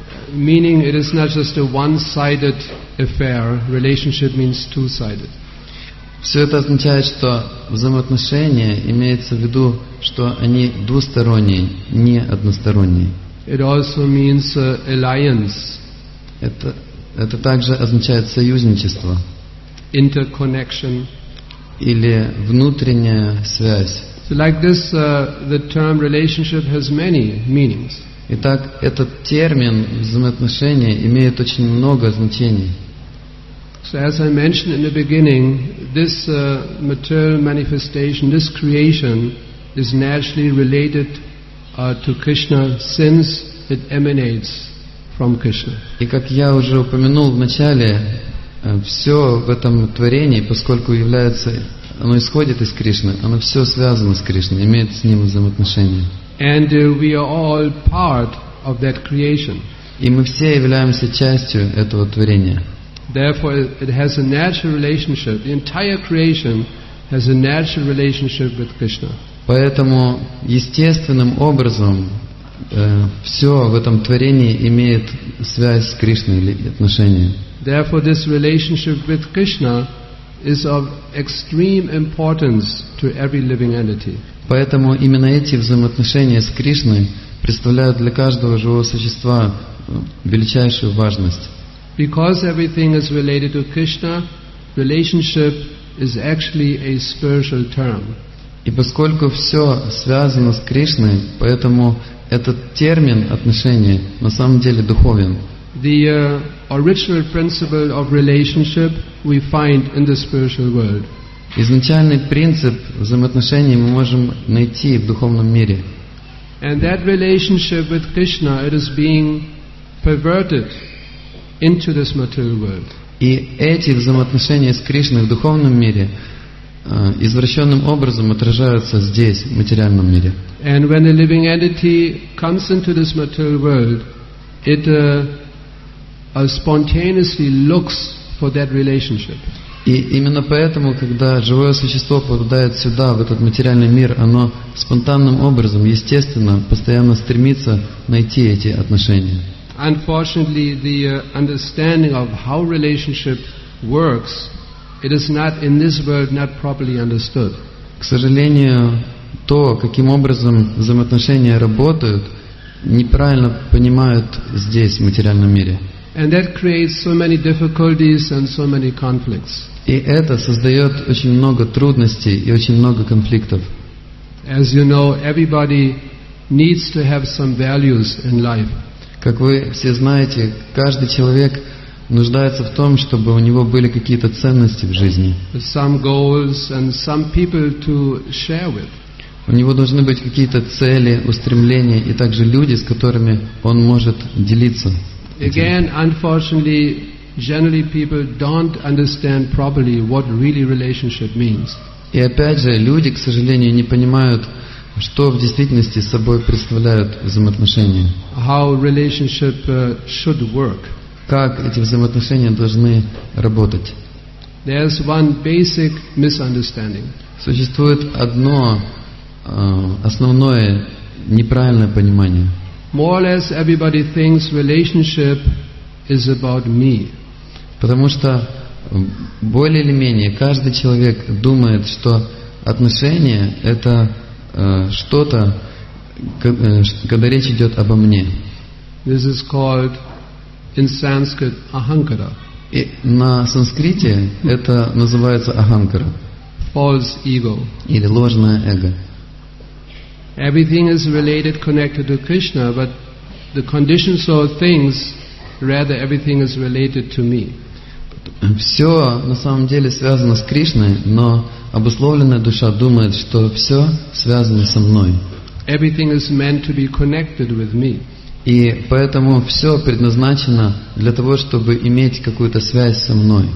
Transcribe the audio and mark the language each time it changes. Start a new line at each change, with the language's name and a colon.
English: Meaning it is not just a one-sided affair. Relationship means two-sided.
Russian: Все это означает, что взаимоотношения имеется в виду, что они двусторонние, не односторонние.
English: It also means alliance.
Russian: Это также означает союзничество.
English: Interconnection.
Russian: Или внутренняя связь.
English: So like this, the term relationship has many meanings.
Russian: Итак, этот термин взаимоотношения имеет очень много значений.
English: So as I mentioned in the beginning, this material manifestation, this creation, is naturally related to Krishna since it emanates from Krishna.
Russian: И как я уже упомянул в начале, все в этом творении, поскольку является, оно исходит из Кришны, оно все связано с Кришной, имеет с ним взаимоотношения.
English: And we are all part of that creation.
Russian: И мы все являемся частью этого творения.
English: Therefore, it has a natural relationship. The entire creation has a natural relationship with Krishna.
Russian: Поэтому естественным образом все в этом творении имеет связь с Кришной или отношения.
English: Therefore, this relationship with Krishna is of extreme importance to every living entity.
Russian: Поэтому именно эти взаимоотношения с Кришной представляют для каждого живого существа величайшую важность.
English: Because everything is related to Krishna, relationship is actually a spiritual term.
Russian: И поскольку все связано с Кришной, поэтому этот термин отношения на самом деле духовен.
English: The original principle of relationship we find in the spiritual world.
Russian: Изначальный принцип взаимоотношений мы можем найти в духовном мире.
English: And that relationship with Krishna, it is being perverted into this material world.
Russian: И эти взаимоотношения с Кришной в духовном мире извращенным образом отражаются здесь, в материальном мире.
English: And when a living entity comes into this material world, it spontaneously looks for that relationship.
Russian: И именно поэтому, когда живое существо попадает сюда, в этот материальный мир, оно спонтанным образом, естественно, постоянно стремится найти эти отношения.
English: Unfortunately, the understanding of how relationship works, it is not in this world not properly understood.
Russian: К сожалению, то, каким образом взаимоотношения работают, неправильно понимают здесь, в материальном мире.
English: And that creates so many difficulties and so many conflicts.
Russian: И это создает очень много трудностей и очень много конфликтов.
English: As you know, everybody needs to have some values in life.
Russian: Как вы все знаете, каждый человек нуждается в том, чтобы у него были какие-то ценности в жизни.
English: Some goals and some people to share with.
Russian: У него должны быть какие-то цели, устремления и также люди, с которыми он может делиться.
English: Again, unfortunately, generally people don't understand properly what really relationship means.
Russian: И опять же, люди, к сожалению, не понимают, что в действительности собой представляют взаимоотношения.
English: How relationship should work.
Russian: Как эти взаимоотношения должны работать.
English: There's one basic misunderstanding.
Russian: Существует одно основное неправильное понимание.
English: More or less everybody thinks relationship is about me.
Russian: Потому что более или менее каждый человек думает, что отношения — это что-то, когда речь идет обо мне.
English: This is called in Sanskrit ahankara.
Russian: И на санскрите это называется ahankara.
English: False ego.
Russian: Или ложное эго.
English: Everything is related, connected to Krishna, but the conditions of things, rather everything is related to me.
Russian: Все на самом деле связано с Кришной, но обусловленная душа думает, что все связано со мной.
English: Everything is meant to be connected with me.
Russian: И поэтому все предназначено для того, чтобы иметь какую-то связь со мной.